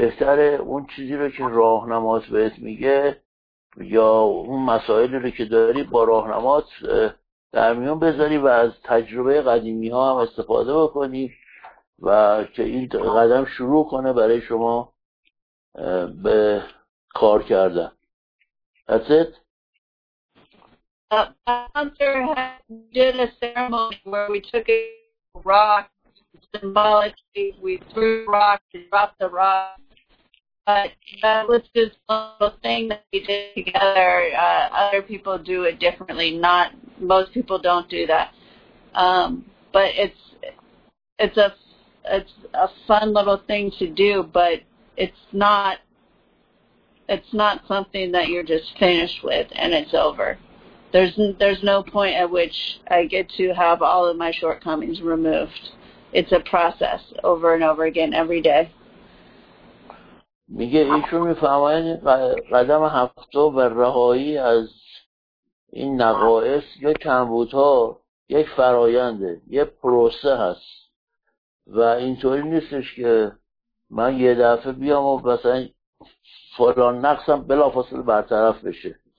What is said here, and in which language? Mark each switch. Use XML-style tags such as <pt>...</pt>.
<fa>بهتره اون چیزی رو که راهنمات بهت میگه یا اون مسائلی رو که داری با راهنمات در میون بذاری و از تجربه قدیمی ها هم استفاده بکنی و که این قدم شروع کنه برای شما به کار کردن.</fa> <en>That's it. A hunter did a ceremony where we took a rock, symbolically, we threw rocks and dropped the rock, but that was just a little thing that we did together. Other people do it differently. Not most people don't do that. But it's a fun little thing to do, but it's not something that you're just finished with and it's over. There's no point at which I get to have all of my shortcomings removed. It's a process over and over again every day.</en> <fa>میگه ایشون میفهمن قدم هفته و رهایی از این نقایص یا کمبودها یک فراینده، یک پروسه هست و اینطوری نیستش که من یه دفعه بیام و مثلا فلان نقصم بلافاصله برطرف بشه.</fa>